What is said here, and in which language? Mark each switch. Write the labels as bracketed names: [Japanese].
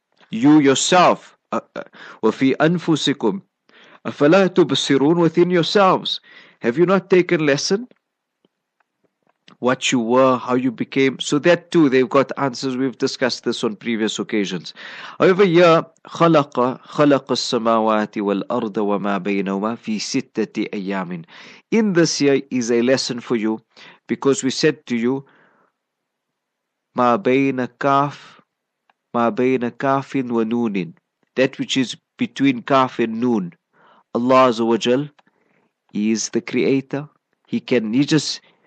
[English] You yourself, [Arabic] وَفِي أَنفُسِكُمْ أَفَلَا تُبْصِرُونَ, [English] within yourselves, have you not taken lesson? What you were, how you became. So that too, they've got answers. We've discussed this on previous occasions. However, yeah, [Arabic] خَلَقَ, خَلَقَ السَّمَاوَاتِ وَالْأَرْضَ وَمَا بَيْنَوْمَا فِي سِتَّةِ أَيَّامٍ. [English] In this year is a lesson for you, because we said to you, [Arabic] مَا بَيْنَ كَافٍ, مَا بَيْنَ كَافٍ وَنُونٍ, [English] that which is between Kaf and Noon. Allah Azza wa Jal is the creator. He just...